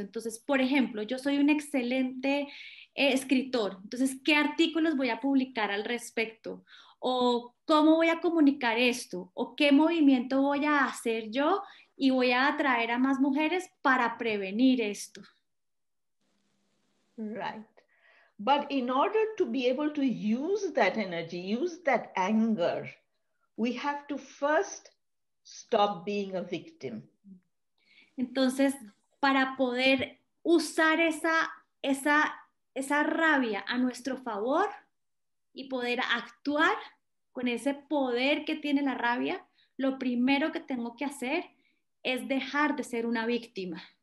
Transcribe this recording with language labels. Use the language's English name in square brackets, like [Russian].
[Spanish] Entonces, por ejemplo, yo soy un excelente escritor. Entonces, ¿qué artículos voy a publicar al respecto? ¿O cómo voy a comunicar esto? ¿O qué movimiento voy a hacer yo y voy a atraer a más mujeres para prevenir esto? [English] Right. But in order to be able to use that energy, use that anger, we have to first stop being a victim. [Spanish] Entonces, para poder usar esa rabia a nuestro favor y poder actuar con ese poder que tiene la rabia, lo primero que tengo que hacer es dejar de ser una víctima.